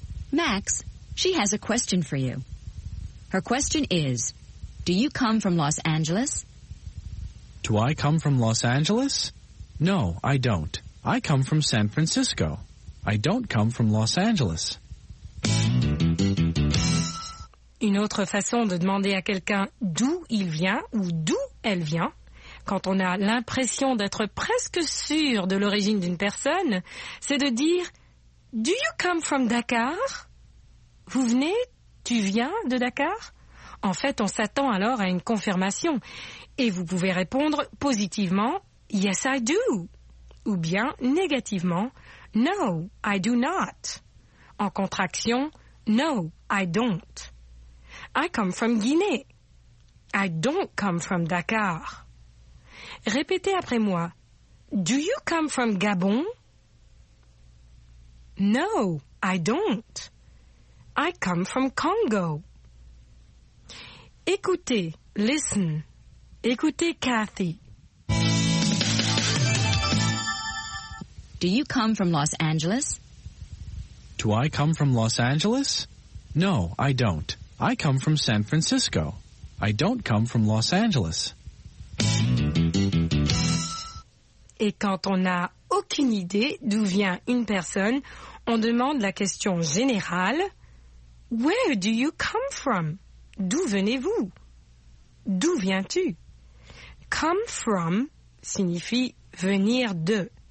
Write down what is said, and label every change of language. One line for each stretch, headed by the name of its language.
English: Max, she has a question for you. Her question is, do you come from Los Angeles? Do I come from Los Angeles? No, I don't. I come from San Francisco. I don't come from Los Angeles.
French: Une autre façon de demander à quelqu'un d'où il vient ou d'où elle vient, quand on a l'impression d'être presque sûr de l'origine d'une personne, c'est de dire «
English: Do you come from Dakar ?»
French: Vous venez, tu viens de Dakar ? En fait, on s'attend alors à une confirmation et vous pouvez répondre positivement «
English: Yes, I do
French: » ou bien négativement «
English: No, I do not
French: » en contraction «
English: No, I don't ». I come from Guinea. I don't come from Dakar.
French: Répétez après moi.
English: Do you come from Gabon? No, I don't. I come from Congo.
French: Écoutez,
English: listen.
French: Écoutez, Kathy.
English: Do you come from Los Angeles? Do I come from Los Angeles? No, I don't. I come from San Francisco. I don't come from Los Angeles.
French: Et quand on n'a aucune idée d'où vient une personne, on demande la question générale.
English: Where do you come from?
French: D'où venez-vous? D'où viens-tu?
English: Come from
French: signifie venir de.